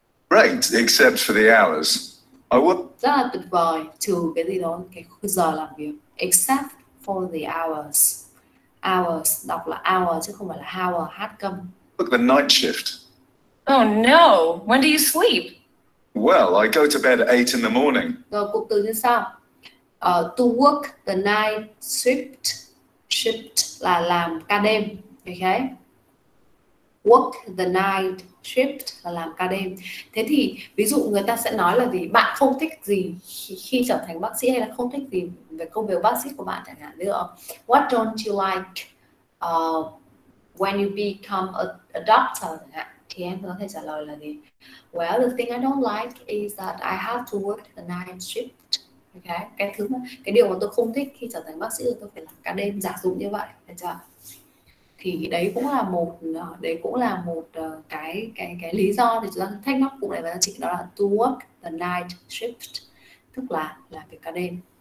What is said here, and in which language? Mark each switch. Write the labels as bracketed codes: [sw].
[en] Great, except for the hours. [vi] Rất là tuyệt vời, trừ cái gì đó, cái giờ làm việc. [en] Except for the hours. [vi] Hours, đọc là hour chứ không phải là hour, hát câm. [en] Look, the night shift. Oh no, when do you sleep? Well, I go to bed at 8 in the morning. [vi] Rồi, cụm từ như sau. [en] To work the night shift [vi] là làm ca đêm, okay? [en] Work the night shift [vi] là làm ca đêm. Thế thì ví dụ người ta sẽ nói là gì, bạn không thích gì khi trở thành bác sĩ, hay là không thích gì về công việc bác sĩ của bạn chẳng hạn nữa. [en] What don't you like when you become a doctor? [vi] thì em có thể trả lời là gì? [en] Well, the thing I don't like is that I have to work the night shift. Okay. [vi] Cái thứ mà, cái điều mà tôi không thích khi trở thành bác sĩ là tôi phải làm cả đêm, giả dụ như vậy, được chưa? Thì đấy cũng là một cái lý do để chúng ta thắc mắc cụ này với chị, đó là [en] to work the night shift, [vi] tức là làm việc cả đêm.